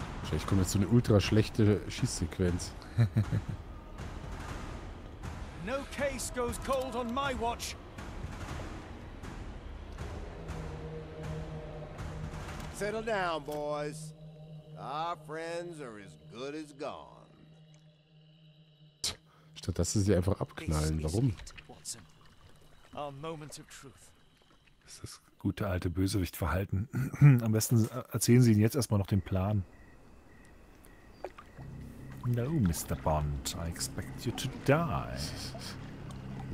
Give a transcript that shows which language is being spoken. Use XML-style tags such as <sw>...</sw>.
<de>Ich komme jetzt zu einer ultra schlechte Schießsequenz.</de> <en>No case goes cold on my watch. Settle down, boys. Our friends are as good as gone.</en> <de>Statt dass sie einfach abknallen, warum?</de> <en>Our moment of truth.</en> <de>Das ist das gute alte Bösewicht-Verhalten. Am besten erzählen Sie ihnen jetzt erstmal noch den Plan.</de> <en>No, Mr. Bond, I expect you to die.</en>